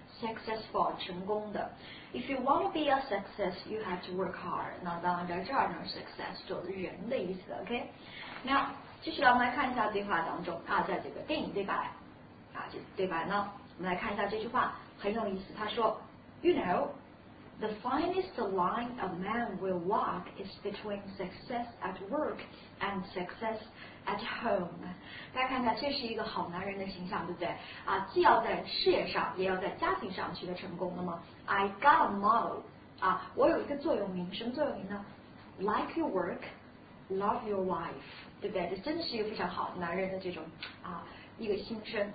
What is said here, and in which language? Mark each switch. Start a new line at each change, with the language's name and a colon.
English: Successful
Chinese: 成功的，
English: if you want to be a success you have to work hard。
Chinese: 那当然在这儿呢 success 就是人的意思。 OK， now继续来，我们来看一下对话当中啊，在这个电影对白啊，这对白呢，我们来看一下这句话很有意思。他说
English: ，You know, the finest line a man will walk is between success at work and success at home。
Chinese: 大家看一下，这是一个好男人的形象，对不对？啊，既要在事业上，也要在家庭上取得成功。那么 ，
English: I got a motto
Chinese: 啊，我有一个座右铭，什么座右铭呢 ？
English: Like your work, love your wife。
Chinese: 对不对？这真的是一个非常好男人的这种啊一个心声。